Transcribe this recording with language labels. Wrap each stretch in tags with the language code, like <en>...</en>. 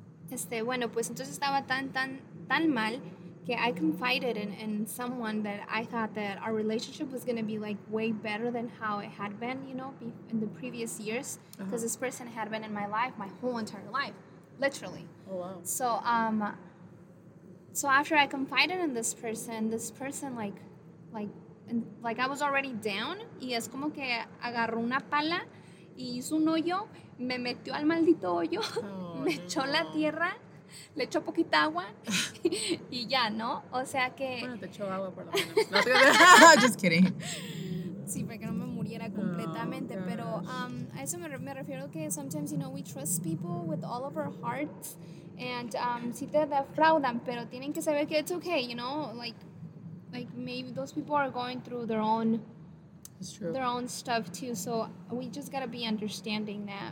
<es>Este, bueno, pues entonces estaba tan mal que</es> <en>I confided in someone that I thought that our relationship was going to be like way better than how it had been, you know, in the previous years, because this person had been in my life my whole entire life, literally. Oh, wow. So after I confided in this person like I was already down,</en> <es>y es como que agarró una pala y hizo un hoyo, me metió al maldito hoyo, me echó la tierra, le echó poquita agua y ya, ¿no? O sea que... Bueno, te echó agua por la mano.</es> <en>Just kidding.</en> <es>Sí, para que no me muriera completamente, pero a eso me refiero, que</es> <en>sometimes, you know, we trust people with all of our hearts, and</en> <es>si te defraudan, pero tienen que saber que</es> <en>it's okay, you know, like maybe those people are going through their own stuff too, so we just gotta be understanding</en>